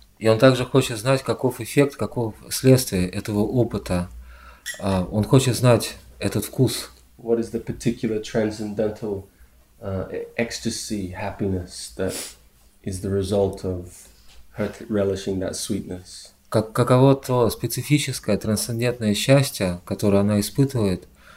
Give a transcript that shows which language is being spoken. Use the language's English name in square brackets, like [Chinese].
[Russian] И он также хочет знать, каков эффект, каков следствие этого опыта. Он хочет знать, этот вкус. [English] What is the particular transcendental ecstasy, happiness that is the result of her relishing that sweetness? [Russian] Каково то специфическое трансцендентное счастье, которое она испытывает?